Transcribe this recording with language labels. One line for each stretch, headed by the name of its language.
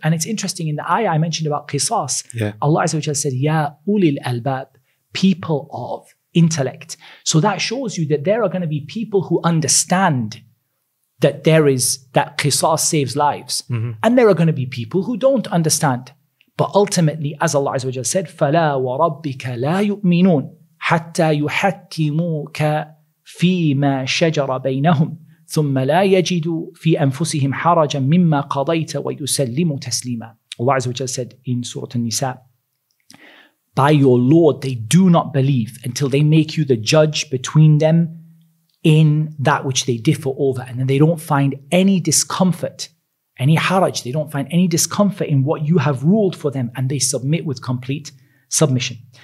English: And it's interesting, in the ayah I mentioned about qisas, Allah Azza wa Jalla said, Ya ulil albab, people of intellect. So that shows you that there are going to be people who understand that there is, that qisas saves lives. And there are going to be people who don't understand. But ultimately, as Allah Azza wa Jalla said,
Arabic: فَلَا وَرَبِّكَ لَا يُؤْمِنُونَ حَتَّى يُحَكِّمُوكَ فِي مَا شَجَرَ بَيْنَهُمْ ثُمَّ لَا يَجِدُوا فِي أَنفُسِهِمْ حَرَجًا مِمَّا قَضَيْتَ وَيُسَلِّمُوا تَسْلِيمًا.
English: Allah Azza wa Jalla said in Surah An-Nisa, by your Lord, they do not believe until they make you the judge between them in that which they differ over. And then they don't find any discomfort, any haraj, they don't find any discomfort in what you have ruled for them, and they submit with complete submission.